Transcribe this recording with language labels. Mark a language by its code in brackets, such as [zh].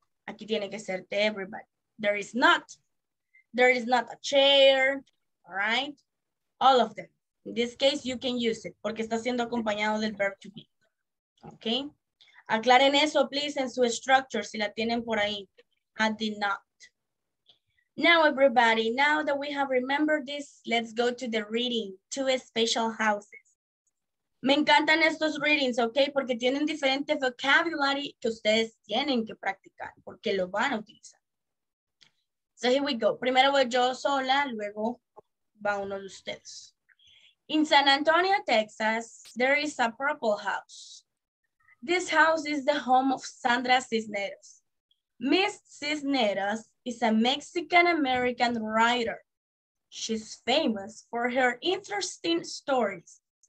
[es] Aquí tiene que ser [en] to everybody. There is not a chair, right? All of them. In this case, you can use it, [es] porque está siendo acompañado del [en] verb to be, okay? [es] Aclaren eso, [en] please, [es] en su structure, si la tienen por ahí. [en] I did not. Now, everybody, now that we have remembered this, let's go to the reading, two special houses. [es] Me encantan estos readings, okay? Porque tienen diferente vocabulary que ustedes tienen que practicar, porque lo van a utilizar. [en] So here we go. [es] Primero voy yo sola, luego va uno de ustedes. [en] In San Antonio, Texas, there is a purple house. This house is the home of Sandra Cisneros. Miss Cisneros is a Mexican-American writer. She's famous for her interesting stories.